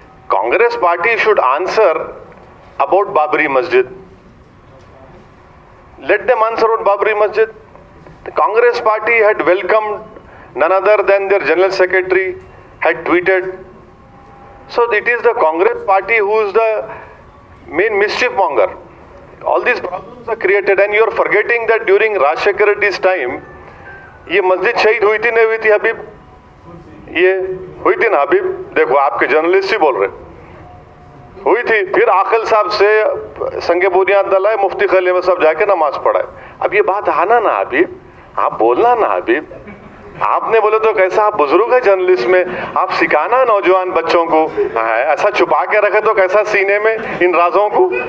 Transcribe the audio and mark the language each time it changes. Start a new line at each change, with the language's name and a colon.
English: Congress party should answer about Babri Masjid, let them answer about Babri Masjid. Congress party had welcomed none other than their general secretary, had tweeted, so it is the Congress party who is the main mischief monger. All these problems are created, and you are forgetting that during Rajshekhar Reddy's time,
Hindi: ये मस्जिद शहीद हुई थी, नहीं हुई थी हबीब? ये हुई थी ना हबीब, देखो आपके जर्नलिस्ट ही बोल रहे, हुई थी। फिर आकल साहब से संगे बुनियाद डाला है, मुफ्ती खलीम साहब जाके नमाज पढ़ाए। अब ये बात आना ना हबीब, आप बोलना ना हबीब, आपने बोले तो कैसा, आप बुजुर्ग है जर्नलिस्ट में, आप सिखाना नौजवान बच्चों को, ऐसा छुपा के रखे तो कैसा सीने में इन राजों को।